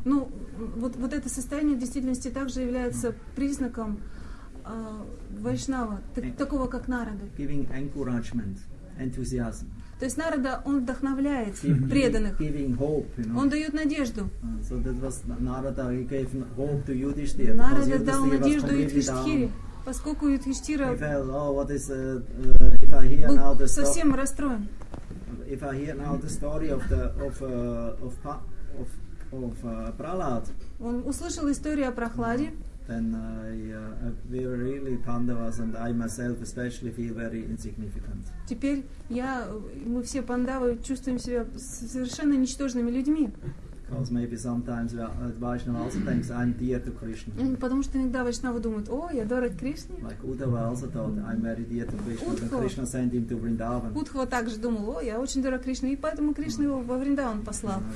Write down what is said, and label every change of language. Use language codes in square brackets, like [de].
[ru] Ну, вот это состояние в действительности также является признаком Вайшнава, такого как Нарада. [en] Giving encouragement, enthusiasm. [ru] То есть Нарада, он вдохновляет преданных. [en] Giving hope, you know. [ru] Он дает надежду. [en] So that was Narada, he gave hope to [ru] Yudhishthira. Нарада дал надежду Юдхиштхире. Поскольку Юдхиштхира был совсем расстроен. [en] If I hear now the story of Prahlad, [ru] он услышал историю о Прохладе. [en] Then we really Pandavas and I myself especially feel very insignificant. [ru] Теперь мы все Пандавы чувствуем себя совершенно ничтожными людьми. [en] Because maybe sometimes Vaishnava also thinks I'm dear to Krishna. [ru] Потому что иногда Вайшнава думает, о, я дорог Кришне. [en] Like Uddhava also thought I'm very dear to Krishna, and Krishna sent him to Vrindavan. [ru] Удхва также думал, о, я очень дорог Кришне, и поэтому Кришна его во Вриндаван послал.